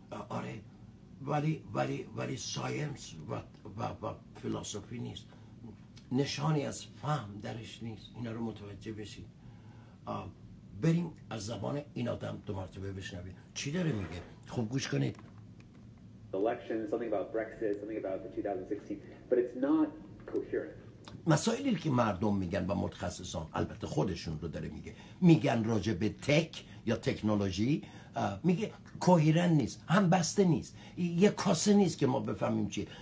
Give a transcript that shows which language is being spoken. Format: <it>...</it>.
<fa>آره، ولی ساینس و فلسفی نیست، نشانی از فهم درش نیست. اینا رو متوجه بشید. بریم از زبان این آدم دو مرتبه بشنویم چی داره میگه. خوب گوش کنید.</fa> <en>Election, something about Brexit, something about the 2016, but it's not coherent.</en> <fa>مسائلی که مردم میگن و متخصصان، البته خودشون رو داره میگه، میگن راجع به تک یا تکنولوژی، میگه کوهیرن نیست، هم بسته نیست، یه کاسه نیست که ما بفهمیم چی.</fa>